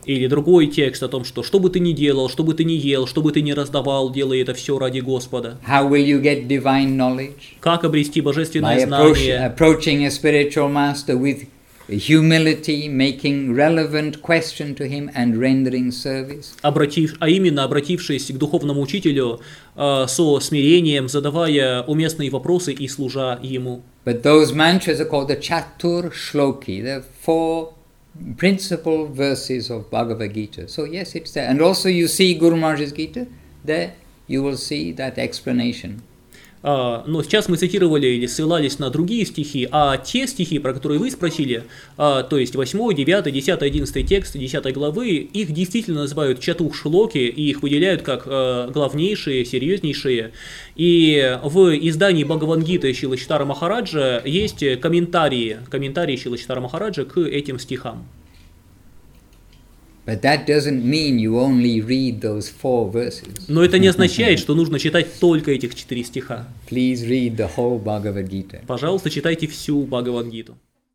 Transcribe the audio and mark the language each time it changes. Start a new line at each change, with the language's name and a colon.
Russian: Или другой текст о том, что бы ты ни делал, что бы ты ни ел, что бы ты ни раздавал, делай это все ради Господа.
English: How will you get divine knowledge?
Russian: Как обрести божественное
English: By
Russian: знание?
English: Approaching a spiritual master with humility, making relevant question to him and rendering service.
Russian: Обратившись к духовному учителю со смирением, задавая уместные вопросы и служа ему.
English: But those mantras are called the Chatur Shloki, the four principal verses of Bhagavad Gita. So yes, it's there. And also you see Guru Maharaj's Gita, there you will see that explanation.
Russian: Но сейчас мы цитировали или ссылались на другие стихи, а те стихи, про которые вы спросили, то есть 8, 9, 10, 11 текст 10 главы, их действительно называют чатур-шлоки, и их выделяют как главнейшие, серьезнейшие. И в издании Бхагавад-гиты Шрилы Чайтаньи Махараджа есть комментарии Шрилы Чайтаньи Махараджа к этим стихам.
English: But that doesn't mean you only read those four verses.
Russian: Но это не означает, что нужно читать только этих четыре стиха.
English: Please read the whole Bhagavad Gita.
Russian: Пожалуйста, читайте всю Бхагавад-гиту.